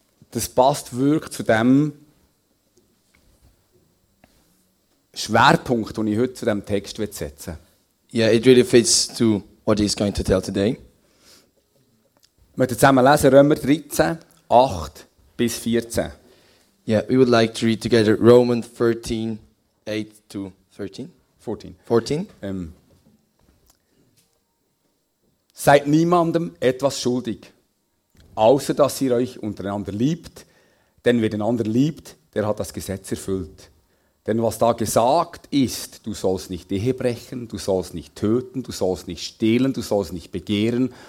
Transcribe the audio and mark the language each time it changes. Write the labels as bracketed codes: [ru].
[de] Das passt wirklich zu dem Schwerpunkt, den ich heute zu diesem Text setzen will. [en] Yeah, it really fits to what he's going to tell today. [de] Wir möchten zusammen lesen Römer 13, 8 bis 14. [en] Yeah, we would like to read together Romans 13, 8 to 13. [de] 14. [en] 14. [de] Seid niemandem etwas schuldig, außer dass ihr euch untereinander liebt, denn wer den anderen liebt, der hat das Gesetz erfüllt. Denn was da gesagt ist, du sollst nicht Ehe brechen, du sollst nicht töten, du sollst nicht stehlen, du sollst nicht begehren.